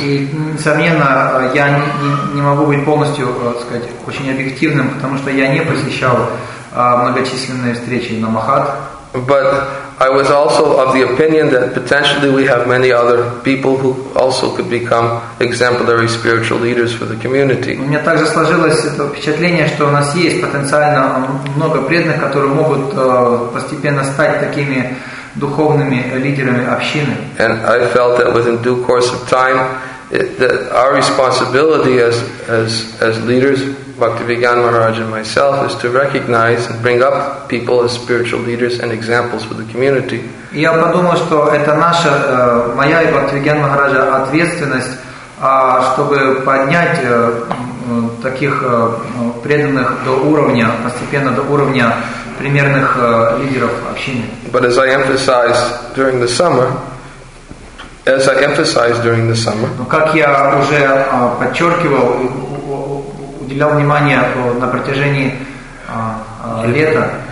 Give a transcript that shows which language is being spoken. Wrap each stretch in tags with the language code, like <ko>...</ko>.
<ru>И несомненно, я не могу быть полностью, очень объективным, потому что я не посещал многочисленные встречи Намахат.</ru> <en>But I was also of the opinion that potentially we have many other people who also could become exemplary spiritual leaders for the community.</en> <ru>У меня также сложилось это впечатление, что у нас есть потенциально много преданных, которые могут постепенно стать такими духовными лидерами общины.</ru> <en>And I felt that within due course of time, that our responsibility as leaders, Bhaktivedanta Maharaj and myself, is to recognize and bring up people as spiritual leaders and examples for the community.</en> <ru>Я подумал, что это наша, моя и Бхактивиган Махараджа ответственность, чтобы поднять таких преданных до уровня, постепенно до уровня примерных лидеров общины.</ru> <en>But as I emphasized during the summer, as I emphasized during the summer,</en> <ru>как я уже подчеркивал, уделял внимание на протяжении лета,</ru>